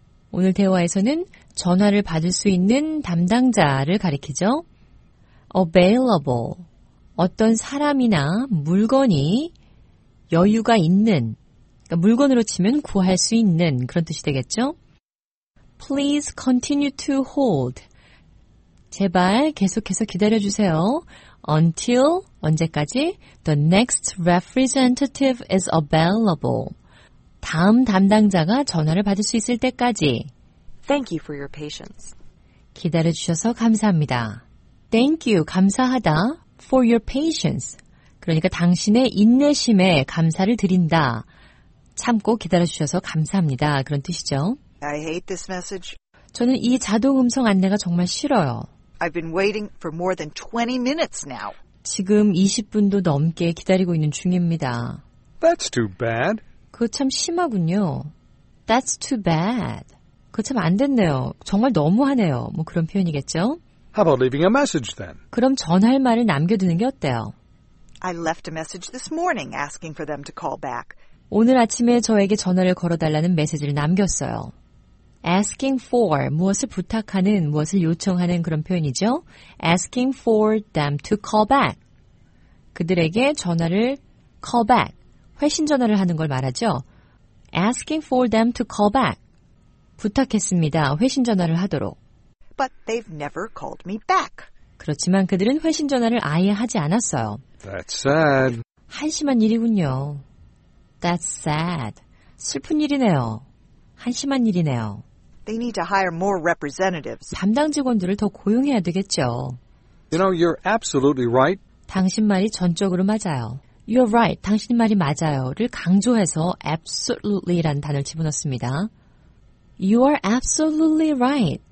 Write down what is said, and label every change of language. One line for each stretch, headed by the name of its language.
Korean: 오늘 대화에서는 전화를 받을 수 있는 담당자를 가리키죠.
English: Available.
Korean: 어떤 사람이나 물건이 여유가 있는, 그러니까 물건으로 치면 구할 수 있는 그런 뜻이 되겠죠.
English: Please continue to hold.
Korean: 제발 계속해서 기다려주세요. Until, 언제까지?
English: The next representative is available.
Korean: 다음 담당자가 전화를 받을 수 있을 때까지.
English: Thank you for your patience.
Korean: 기다려주셔서 감사합니다.
English: Thank you,
Korean: 감사하다.
English: For your patience.
Korean: 그러니까 당신의 인내심에 감사를 드린다. 참고 기다려주셔서 감사합니다. 그런 뜻이죠.
English: I hate this message.
Korean: 저는 이 자동 음성 안내가 정말 싫어요.
English: I've been waiting for more than 20 minutes now.
Korean: 지금 20분도 넘게 기다리고 있는 중입니다.
English: That's too bad.
Korean: 그거 참 심하군요.
English: That's too bad.
Korean: 그거 참 안 됐네요. 정말 너무하네요. 뭐 그런 표현이겠죠?
English: How about leaving a message then?
Korean: 그럼 전할 말을 남겨두는 게 어때요?
English: I left a message this morning asking for them to call back.
Korean: 오늘 아침에 저에게 전화를 걸어달라는 메시지를 남겼어요.
English: Asking for,
Korean: 무엇을 부탁하는, 무엇을 요청하는 그런 표현이죠.
English: Asking for them to call back.
Korean: 그들에게 전화를
English: call back,
Korean: 회신 전화를 하는 걸 말하죠.
English: Asking for them to call back.
Korean: 부탁했습니다. 회신 전화를 하도록.
English: But they've never called me back.
Korean: 그렇지만 그들은 회신 전화를 아예 하지 않았어요.
English: That's sad.
Korean: 한심한 일이군요.
English: That's sad.
Korean: 슬픈 일이네요. 한심한 일이네요.
English: They need to hire more representatives.
Korean: 담당 직원들을 더 고용해야 되겠죠.
English: You know, you're absolutely right.
Korean: 당신 말이 전적으로 맞아요.
English: You're right.
Korean: 당신 말이 맞아요를 강조해서 absolutely라는 단어를 집어넣습니다.
English: You are absolutely right.